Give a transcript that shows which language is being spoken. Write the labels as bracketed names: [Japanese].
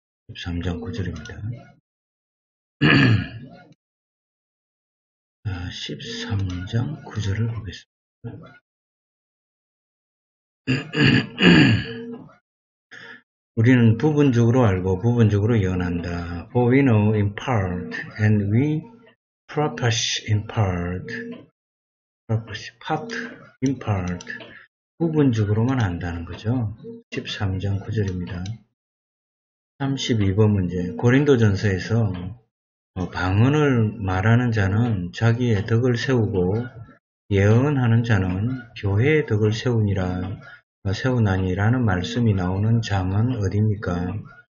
[Korean] 13장 9절입니다. 13장 9절을 보겠습니다. 우리는 부분적으로 알고 부분적으로 예언한다. [English] For we know in part and we prophesy in part. Prophesy part in part. [Korean] 부분적으로만 안다는 거죠. 13장 9절입니다. 32번 문제. 고린도전서에서 방언을 말하는 자는 자기의 덕을 세우고 예언하는 자는 교회의 덕을 세우니라 세우나니라는 말씀이 나오는 장은 어디입니까?